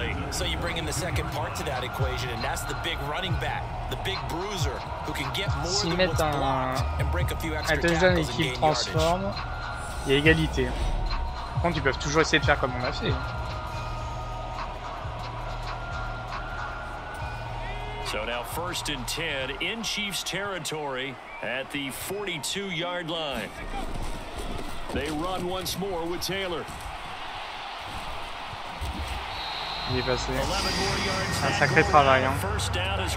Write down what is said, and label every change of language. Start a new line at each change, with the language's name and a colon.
English: So you bring in the second part to that equation, and that's the big running back, the big bruiser, who can get more than what's blocked and break a few extra tackles and gain yardage.
French: Il y a égalité. Par contre, ils peuvent toujours essayer de faire comme on a fait.
English: So now first and 10 in Chiefs territory at the 42-yard line. They run once more with Taylor.
French: Il est passé. Un sacré travail, hein.
English: First down as